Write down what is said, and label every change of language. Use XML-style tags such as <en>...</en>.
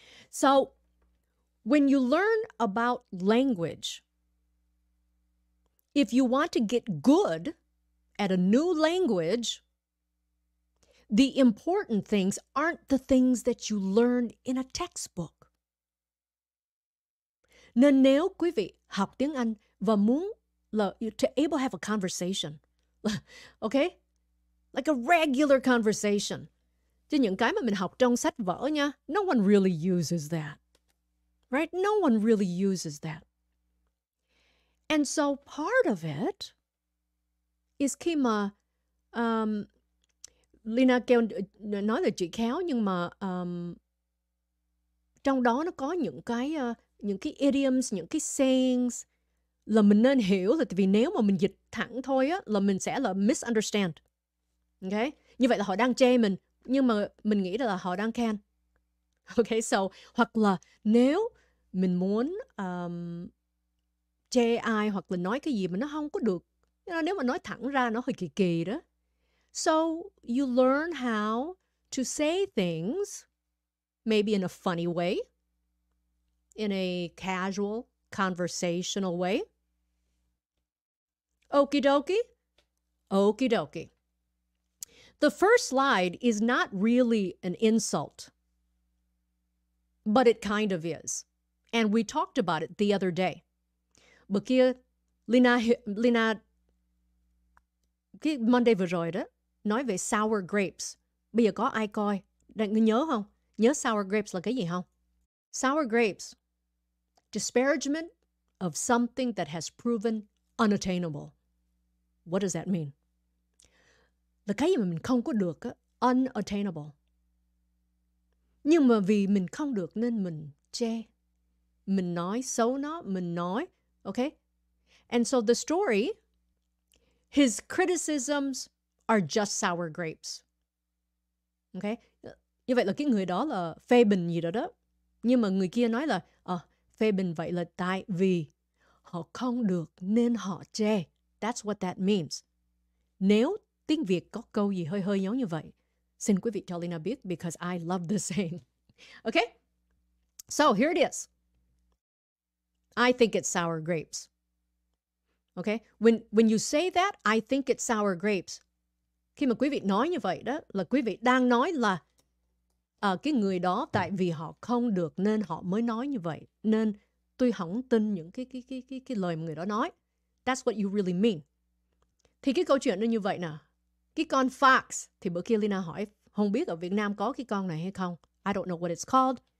<en>So, when you learn about language, if you want to get good at a new language, the important things aren't the things that you learn in a textbook.</en> <vi>Nên nếu quý vị học tiếng Anh và muốn là</vi> <en>to able have a conversation,</en> <vi>okay?</vi> <en>Like a regular conversation.</en> <vi>Chứ những cái mà mình học trong sách vở nha,</vi> <en>no one really uses that. Right? No one really uses that. And so part of it is</en> <vi>khi mà Lina kêu nói là chị khéo, nhưng mà trong đó nó có những cái idioms, những cái sayings là mình nên hiểu, là vì nếu mà mình dịch thẳng thôi á, là mình sẽ là misunderstand. Okay? Như vậy là họ đang chê mình, nhưng mà mình nghĩ là họ đang khen. Okay, so, hoặc là nếu mình muốn chê ai hoặc là nói cái gì mà nó không có được, nếu mà nói thẳng ra nó hơi kỳ kỳ đó.</vi> <en>So, you learn how to say things maybe in a funny way, in a casual, conversational way. Okie dokie. Okie dokie. The first slide is not really an insult, but it kind of is. And we talked about it the other day.</en> <vi>Bữa kia, Lina, cái Monday vừa rồi đó, nói về sour grapes. Bây giờ có ai coi? Nhớ không? Nhớ</vi> <en>sour grapes</en> <vi>là cái gì không?</vi> <en>Sour grapes. Disparagement of something that has proven unattainable. What does that mean?</en> <vi>Là cái gì mà mình không có được á, unattainable. Nhưng mà vì mình không được nên mình chê. Mình nói xấu nó, mình nói. Okay?</vi> <en>And so the story, his criticisms are just sour grapes. Okay?</en> <vi>Như vậy là cái người đó là phê bình gì đó đó. Nhưng mà người kia nói là phê bình vậy là tại vì họ không được nên họ chê.</vi> <en>That's what that means.</en> <vi>Nếu tiếng Việt có câu gì hơi hơi giống như vậy, xin quý vị cho Lina biết,</vi> <en>because I love the saying. Okay? So here it is. I think it's sour grapes. Okay? When you say that, I think it's sour grapes.</en> <vi>Khi mà quý vị nói như vậy đó, là quý vị đang nói là cái người đó tại vì họ không được nên họ mới nói như vậy. Nên tôi không tin những cái lời mà người đó nói.</vi> <en>That's what you really mean.</en> <vi>Thì cái câu chuyện nó như vậy nè. Cái con fox, thì bữa kia Lina hỏi, không biết ở Việt Nam có cái con này hay không?</vi> <en>I don't know what it's called.</en>